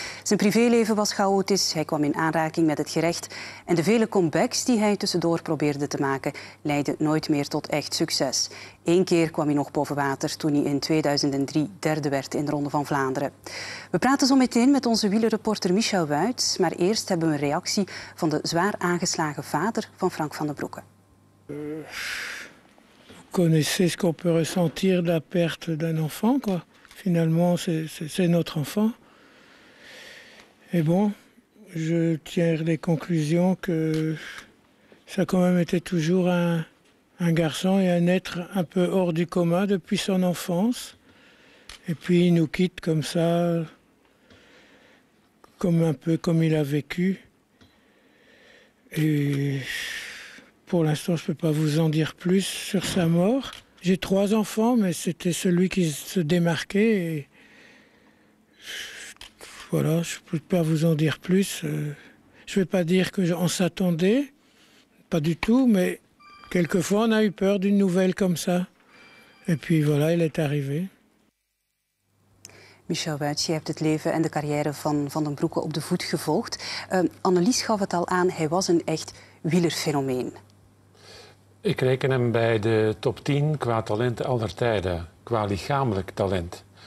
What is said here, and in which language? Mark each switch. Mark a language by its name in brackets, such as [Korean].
[Dutch] Zijn privéleven was chaotisch, hij kwam in aanraking met het gerecht en de vele comebacks die hij tussendoor probeerde te maken leidden nooit meer tot echt succes. 1 keer kwam hij nog boven water toen hij in 2003 derde werd in de Ronde van Vlaanderen. We praten zo meteen met onze wielerreporter Michel Wuits, maar eerst hebben we een reactie van de zwaar aangeslagen vader van Frank van den Broeke. [French] Vous connaissez ce qu'on peut ressentir de la perte d'un enfant, quoi. Finalement, c'est notre enfant. Et bon, je tire les conclusions que ça a quand même été toujours un garçon et un être un peu hors du commun depuis son enfance. Et puis il nous quitte comme ça, comme un peu comme il a vécu. Et pour l'instant, je ne peux pas vous en dire plus sur sa mort. J'ai 3 enfants, mais c'était celui qui se démarquait. Et voilà, je ne peux pas vous en dire plus. Je ne vais pas dire qu'on s'attendait, pas du tout, mais quelquefois, on a eu peur d'une nouvelle comme ça. Et puis voilà, il est arrivé. [Dutch] Michel Wuits, je hebt het leven en de carrière van Van den Broeke op de voet gevolgd. Annelies gaf het al aan, hij was een echt wielerfenomeen. Ik reken hem bij de top 10 qua talenten aller tijden, qua lichamelijk talent.